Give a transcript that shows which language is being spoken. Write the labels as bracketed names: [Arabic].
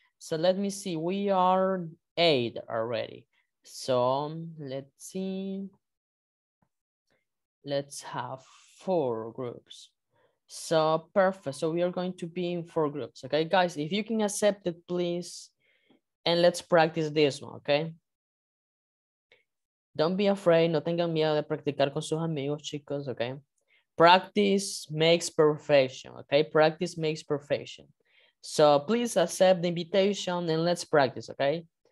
[English] So let me see. We are 8 already. So let's see. Let's have 4 groups. So perfect. So we are going to be in 4 groups. Okay, guys, if you can accept it, please. And let's practice this one, okay? Don't be afraid. [Spanish] No tengan miedo de practicar con sus amigos, chicos, okay? [English] Practice makes perfection, okay? Practice makes perfection. So please accept the invitation and let's practice, okay?